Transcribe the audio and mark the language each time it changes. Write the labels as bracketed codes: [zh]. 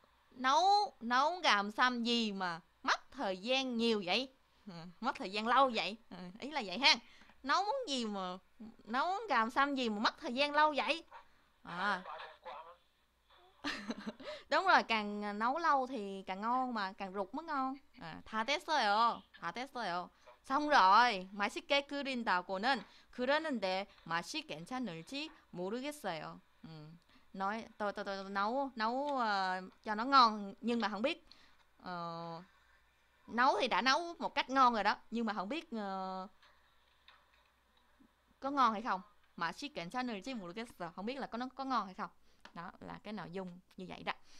[vi] Nấu nấu gà hầm xăm gì mà mất thời gian nhiều vậy, mất thời gian lâu vậy, ý là vậy ha. Nấu món gì mà nấu gà hầm xăm gì mà mất thời gian lâu vậy? Đúng rồi, càng nấu lâu thì càng ngon mà, càng rục mới ngon. Thả test rồi, thả test rồi. Xong rồi, [ko] 맛있게 끓인다고는 그러는데 맛이 괜찮을지 모르겠어요. [vi] Nói tôi nấu nấu cho nó ngon nhưng mà không biết nấu thì đã nấu một cách ngon rồi đó, nhưng mà không biết có ngon hay không. Mà chỉ cảnh sát nơi chứ một cái giờ không biết là có nó có ngon hay không. Đó là cái nội dung như vậy đó.